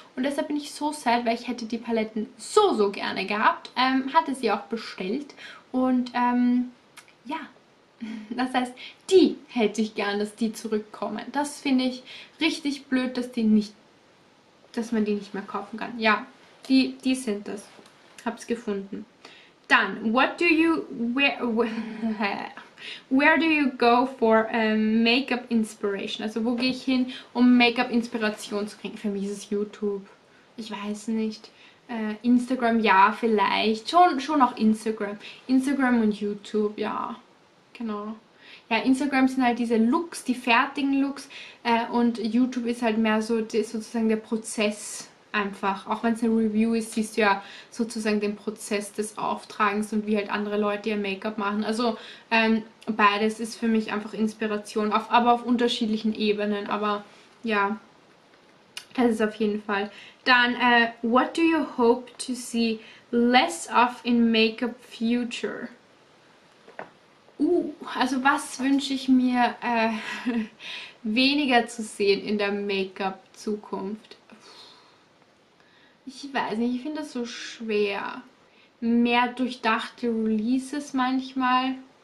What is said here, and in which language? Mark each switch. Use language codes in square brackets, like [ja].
[de] Und deshalb bin ich so sad, weil ich hätte die Paletten so, so gerne gehabt. Hatte sie auch bestellt. Und ja, das heißt, die hätte ich gern, dass die zurückkommen. Das finde ich richtig blöd, dass die nicht, dass man die nicht mehr kaufen kann. Ja, die sind das. Hab's gefunden. [en] Dann, where do you go for Make-up Inspiration? [de] Also wo gehe ich hin, um Make-up-Inspiration zu kriegen? Für mich ist es YouTube. Ich weiß nicht. Instagram, ja, vielleicht. Schon auch Instagram. Instagram und YouTube, ja. Genau. Ja, Instagram sind halt diese Looks, die fertigen Looks. Und YouTube ist halt mehr so die, sozusagen der Prozess einfach. Auch wenn es eine Review ist, siehst du ja sozusagen den Prozess des Auftragens und wie halt andere Leute ihr Make-up machen. Also beides ist für mich einfach Inspiration, aber auf unterschiedlichen Ebenen. Aber ja, das ist auf jeden Fall. [en] Dann, what do you hope to see less of in Make-up Future? [de] Also was wünsche ich mir weniger zu sehen in der Make-up-Zukunft? Ich weiß nicht, ich finde das so schwer. Mehr durchdachte Releases manchmal.